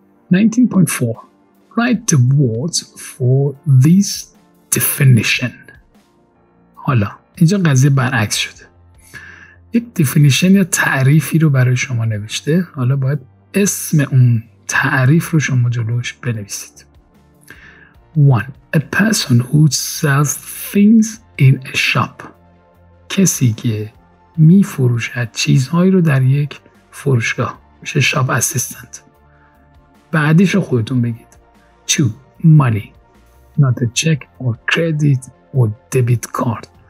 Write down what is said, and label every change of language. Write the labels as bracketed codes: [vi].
[en] 19.4. Write the words for this definition. [fa] حالا اینجا قضیه برعکس شده. یک دیفینیشن یا تعریفی رو برای شما نوشته. حالا باید اسم اون تعریف رو شما جلوش بنویسید. 1. [en] A person who sells things in a shop. [fa] کسی که می فروشد چیزهایی رو در یک فروشگاه. میشه shop assistant. بعدیش رو خودتون بگید. 2. Money. [en] Not a check or credit or debit card.